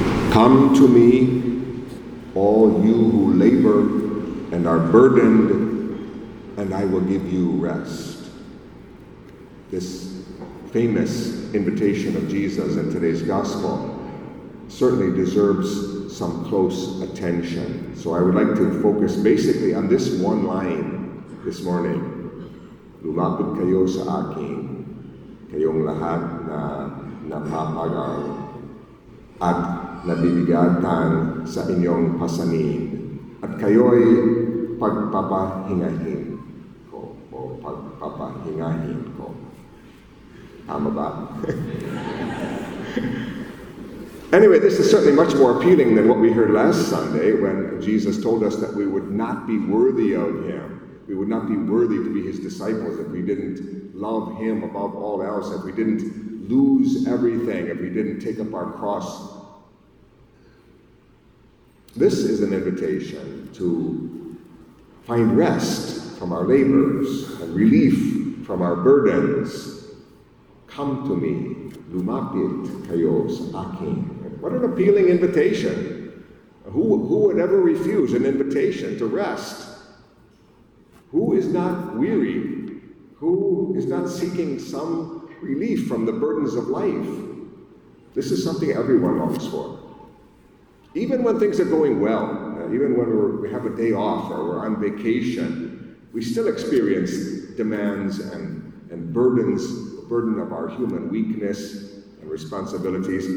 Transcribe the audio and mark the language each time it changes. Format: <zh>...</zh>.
<en>Come to me, all you who labor and are burdened, and I will give you rest. This famous invitation of Jesus in today's gospel certainly deserves some close attention. So I would like to focus basically on this one line this morning.</en> <tl>Lumapit kayo sa akin, kayong lahat na napapagal at nabibigatan sa inyong pasanin at kayo'y pagpapahingahin ko o pagpapahingahin ko. Tama ba?</tl> <en>Anyway, this is certainly much more appealing than what we heard last Sunday when Jesus told us that we would not be worthy of him. We would not be worthy to be his disciples if we didn't love him above all else, if we didn't lose everything, if we didn't take up our cross. This is an invitation to find rest from our labors and relief from our burdens. Come to me,</en> <tl>lumapit kayo sa akin.</tl> <en>What an appealing invitation. Who would ever refuse an invitation to rest? Who is not weary? Who is not seeking some relief from the burdens of life? This is something everyone longs for. Even when things are going well, even when we have a day off or we're on vacation, we still experience demands and burdens, the burden of our human weakness and responsibilities.</en>